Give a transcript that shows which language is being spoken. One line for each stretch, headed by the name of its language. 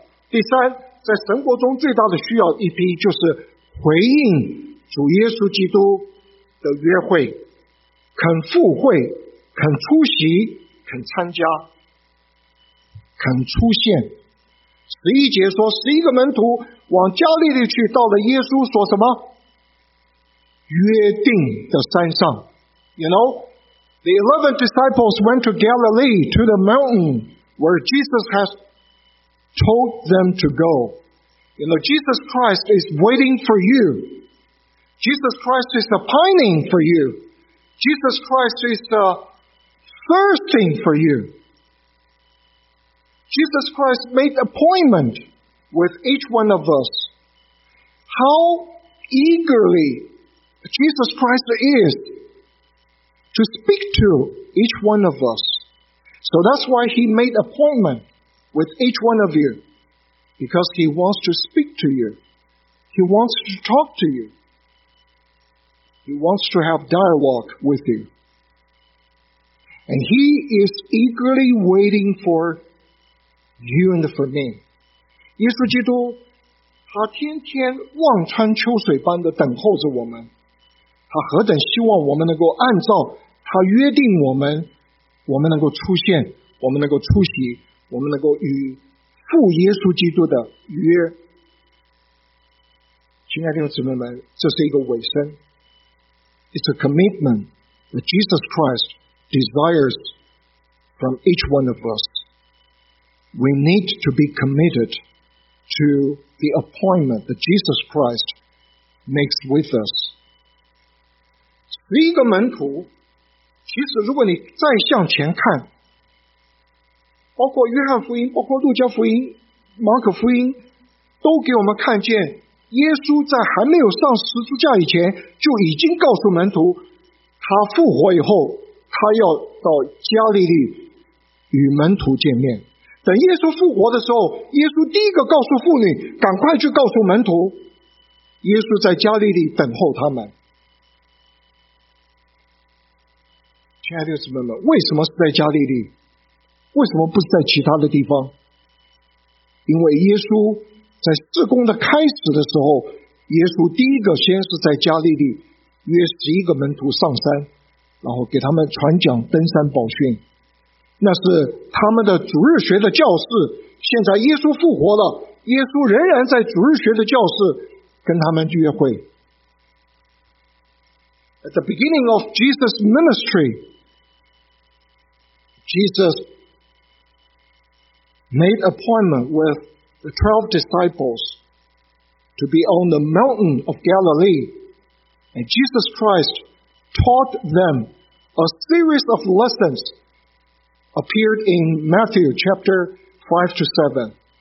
Chinese: 第三，在神国中最大的需要一批，就是回应主耶稣基督的约会，肯赴会，肯出席，肯参加，肯出现。十一节说，十一个门徒往加利利去，到了耶稣所什么约定的山上。
English: You know, the 11 disciples went to Galilee, to the mountain where Jesus has told them to go. You know, Jesus Christ is waiting for you. Jesus Christ is pining for you. Jesus Christ is thirsting for you. Jesus Christ made appointment with each one of us. How eagerly Jesus Christ is to speak to each one of us. So that's why he made appointment with each one of you. Because he wants to speak to you. He wants to talk to you. He wants to have dialogue with you. And he is eagerly waiting for you and for me.
Chinese: 耶稣基督他天天望穿秋水般的等候着我们，他何等希望我们能够按照他约定我们，我们能够出现，我们能够出席，我们能够与父耶稣基督的约。亲爱的姊妹们，这是一个尾声。
English: It's a commitment that Jesus Christ desires from each one of us. We need to be committed to the appointment that Jesus Christ makes with us.
Chinese: 十一个门徒，其实如果你再向前看，包括约翰福音，包括路加福音，马可福音，都给我们看见耶稣在还没有上十字架以前，就已经告诉门徒他复活以后他要到加利利与门徒见面。等耶稣复活的时候，耶稣第一个告诉妇女赶快去告诉门徒耶稣在加利利等候他们。亲爱的姊妹们，为什么是在加利利？为什么不是在其他的地方？因为耶稣在事工的开始的时候，耶稣第一个先是在加利利约十一个门徒上山，然后给他们传讲登山宝训。那是他们的主日学的教室，现在耶稣复活了，耶稣仍然在主日学的教室跟他们约会。
English: At the beginning of Jesus' ministry, Jesus made appointment with the 12 disciples to be on the mountain of Galilee, and Jesus Christ taught them a series of lessons appeared in Matthew chapter 5-7.